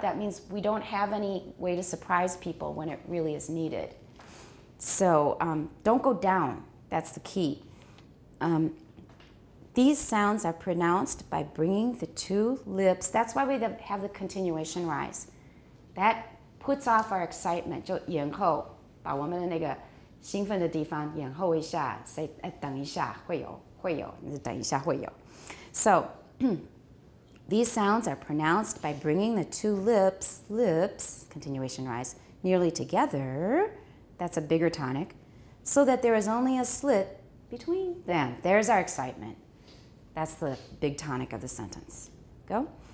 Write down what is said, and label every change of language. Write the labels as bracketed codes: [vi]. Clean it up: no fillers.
[en] That means we don't have any way to surprise people when it really is needed. So don't go down. That's the key. These sounds are pronounced by bringing the two lips. That's why we have the continuation rise. That puts off our excitement. [zh] 就延后把我们的那个兴奋的地方延后一下 ， [en] say [zh] 哎等一下会有，你就等一下会有。 [en] So these sounds are pronounced by bringing the two lips continuation rise nearly together. That's a bigger tonic, so that there is only a slit between them. There's our excitement. That's the big tonic of the sentence. Go.